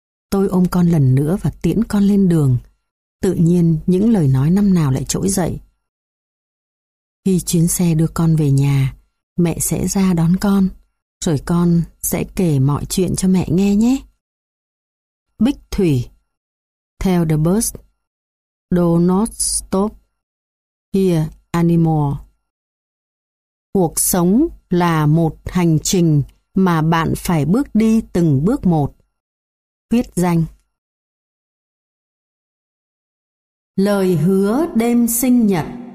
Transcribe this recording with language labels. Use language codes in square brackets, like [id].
[vi] Tôi ôm con lần nữa và tiễn con lên đường. Tự nhiên những lời nói năm nào lại trỗi dậy. Khi chuyến xe đưa con về nhà, mẹ sẽ ra đón con, rồi con sẽ kể mọi chuyện cho mẹ nghe nhé. [en] Bích Thủy, tell the bus, do not stop here anymore. [vi] Cuộc sống là một hành trình mà bạn phải bước đi từng bước một. Khuyết Danh. Lời hứa đêm sinh nhật.